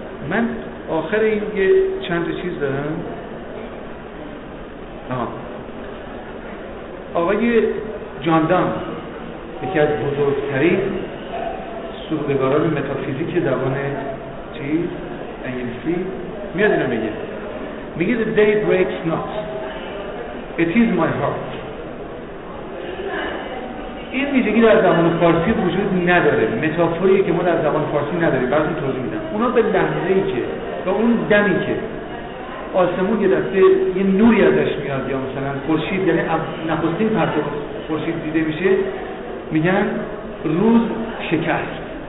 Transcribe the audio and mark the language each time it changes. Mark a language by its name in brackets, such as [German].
[Persian] من آخر این یه چند چیز دارم. آقای جاندان، یکی از بزرگترین سرودگاران متافیزیک زبان چیز انگلیسی، میاد اینو میگه. میگه [English] the day breaks not, it is my heart. [Persian] این ویژگی در زبان فارسی وجود نداره، متافوری که ما در زبان فارسی نداریم. بعضی توضیح میدم، اونا به لحظه ای که و اون دمی که آسمون یه دسته یه نوری ازش میاد، یا مثلا خورشید، یعنی نخستین پرتو خورشید دیده میشه، میگن روز شکست.